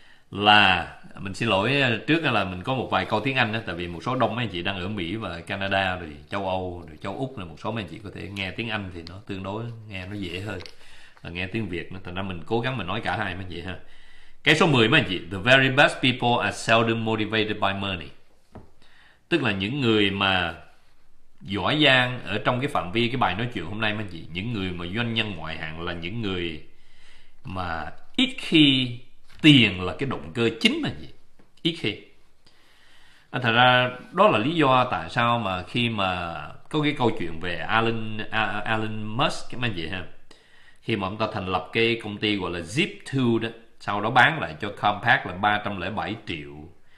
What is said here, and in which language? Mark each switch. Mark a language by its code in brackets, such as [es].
[vi] Là mình xin lỗi trước là mình có một vài câu tiếng Anh đó, tại vì một số đông mấy anh chị đang ở Mỹ và Canada rồi châu Âu rồi châu Úc, là một số mấy anh chị có thể nghe tiếng Anh thì nó tương đối nghe nó dễ hơn là nghe tiếng Việt nữa. Thành ra mình cố gắng mình nói cả hai mấy anh chị ha. Cái số 10 mấy anh chị, [en] the very best people are seldom motivated by money. [vi] Tức là những người mà giỏi giang ở trong cái phạm vi cái bài nói chuyện hôm nay mấy anh chị, những người mà doanh nhân ngoại hạng là những người mà ít khi tiền là cái động cơ chính mấy anh chị, ít khi. Thật ra đó là lý do tại sao mà khi mà có cái câu chuyện về Elon Musk mấy anh chị ha, khi mà ông ta thành lập cái công ty gọi là Zip2 đó, sau đó bán lại cho Compaq là 307 triệu.